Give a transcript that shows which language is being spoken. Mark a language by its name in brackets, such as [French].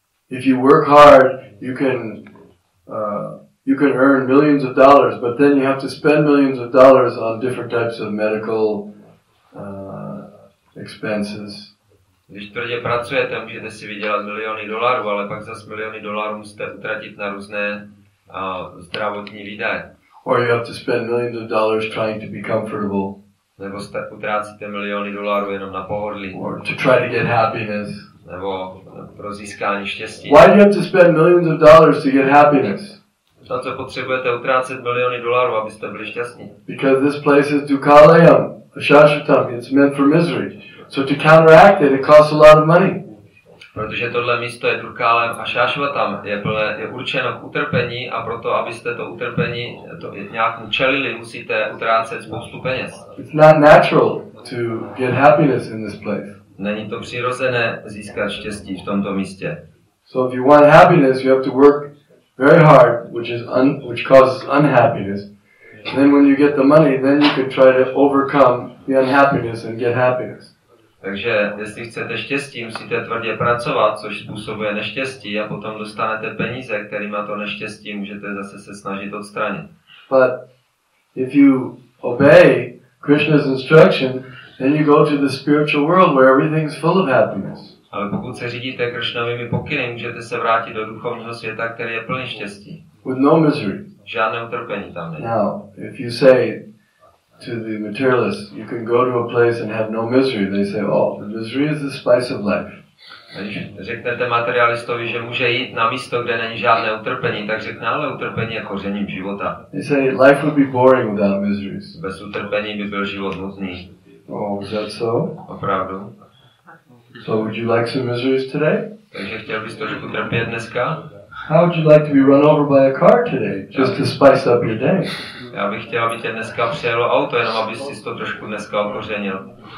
[English] If you work hard, you can earn millions of dollars, but then you have to spend millions of dollars on different types of medical expenses. [Czech] Když tvrdě pracujete, můžete si vydělat miliony dolarů, ale pak zas miliony dolarů musíte utratit na různé zdravotní výdaje. [English] Or you have to spend millions of dollars trying to be comfortable. [Czech] Nebo utrácíte miliony dolarů jenom na pohodlí. [English] Or to try to get happiness. [Czech] Nebo pro získání štěstí. [English] Why do you have to spend millions of dollars to get happiness? [Czech] Na co potřebujete utrácet miliony dolarů, abyste byli šťastní? [English] Because this place is dukalayam, ashashvatam, it's meant for misery. So to counteract it, it costs a lot of money. [Czech] Protože tohle místo je dukalayam a ashashvatam, je určeno k utrpení a proto, abyste to utrpení to nějak čelili, musíte utrácet spoustu peněz. [English] It's not natural to get happiness in this place. [Czech] Není to přirozené získat štěstí v tomto místě. [English] So if you want happiness, you have to work very hard, which causes unhappiness. And then when you get the money, then you can try to overcome the unhappiness and get happiness. [Czech] Takže jestli chcete štěstí, musíte tvrdě pracovat, což způsobuje neštěstí, a potom dostanete peníze, kterými to neštěstí můžete zase se snažit odstranit. [English] But if you obey Krishna's instruction, then you go to the spiritual world where everything is full of happiness. [Czech] Ale pokud se řídíte Krishnovými pokyny, můžete se vrátit do duchovního světa, který je plný štěstí. [English] With no misery. [Czech] Žádné utrpení tam není. [English] Now, if you say to the materialist, you can go to a place and have no misery, they say, oh, the misery is the spice of life. [Czech] Když řeknete materialistovi, že může jít na místo, kde není žádné utrpení, tak řekne, ale utrpení je kořením života. [English] They say, life would be boring without miseries. [Czech] Bez utrpení by byl život nudný. [English] Oh, is that so? [Czech] Opravdu. [English] So would you like some miseries today? [Czech] Takže chtěl bys trošku trpět dneska? [English] How would you like to be run over by a car today, just to spice up your day? [Czech] Já bych chtěl, aby tě dneska přijelo auto, jenom abys si to trošku dneska okořenil.